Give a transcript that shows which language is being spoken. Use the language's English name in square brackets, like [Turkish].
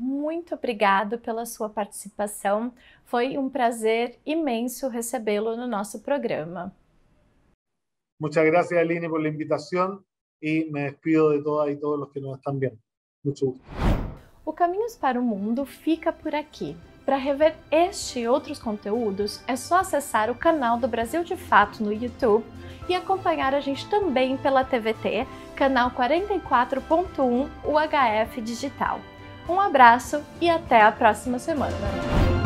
[Portuguese] Muito obrigado pela sua participação. Foi um prazer imenso recebê-lo no nosso programa. [Spanish] Muchas gracias, Aline, por la invitación y me despido de todas y todos los que nos están viendo. Mucho gusto. [Portuguese] O Caminhos para o Mundo fica por aqui. Para rever este e outros conteúdos, é só acessar o canal do Brasil de Fato no YouTube e acompanhar a gente também pela TVT, canal 44.1 UHF Digital. Um abraço e até a próxima semana.